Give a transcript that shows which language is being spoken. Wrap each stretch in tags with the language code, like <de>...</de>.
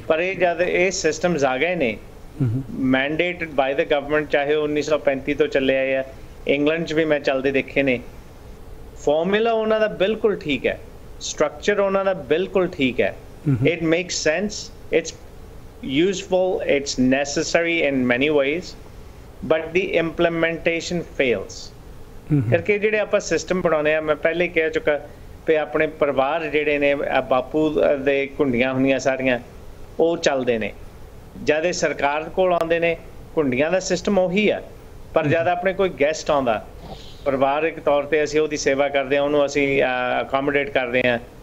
<pa>ਪਰ ਇਹ ਜਦ ਇਹ ਸਿਸਟਮਸ ਆ ਗਏ ਨੇ</pa> <en>mandate by the government</en> <pa>ਚਾਹੇ 1935 ਤੋਂ ਚੱਲੇ ਆਏ ਆ ਇੰਗਲੈਂਡ 'ਚ ਵੀ ਮੈਂ ਚੱਲਦੇ ਦੇਖੇ ਨੇ ਫਾਰਮੂਲਾ ਉਹਨਾਂ ਦਾ ਬਿਲਕੁਲ ਠੀਕ ਹੈ ਸਟਰਕਚਰ ਉਹਨਾਂ ਦਾ ਬਿਲਕੁਲ ਠੀਕ ਹੈ</pa> <en>It makes sense it's useful, it's necessary in many ways, but the implementation fails.</en> <pa>ਕਰਕੇ ਜਿਹੜੇ ਆਪਾਂ ਸਿਸਟਮ ਬਣਾਉਂਦੇ ਹਾਂ, ਮੈਂ ਪਹਿਲੇ ਕਹਿ ਚੁੱਕਾ ਵੀ ਆਪਣੇ ਪਰਿਵਾਰ ਜਿਹੜੇ ਨੇ, ਬਾਪੂ ਦੇ ਘੁੰਡੀਆਂ ਹੁੰਦੀਆਂ ਸਾਰੀਆਂ, ਉਹ ਚੱਲਦੇ ਨੇ। ਜਦ ਇਹ ਸਰਕਾਰ ਕੋਲ ਆਉਂਦੇ ਨੇ, ਘੁੰਡੀਆਂ ਦਾ ਸਿਸਟਮ ਉਹੀ ਆ, ਪਰ ਜਦ ਆਪਣੇ ਕੋਈ ਗੈਸਟ ਆਉਂਦਾ, ਪਰਿਵਾਰਕ ਤੌਰ 'ਤੇ ਅਸੀਂ ਉਹਦੀ ਸੇਵਾ ਕਰਦੇ ਹਾਂ, ਉਹਨੂੰ ਅਸੀਂ ਅਕੋਮੋਡੇਟ ਕਰਦੇ ਹਾਂ।</pa>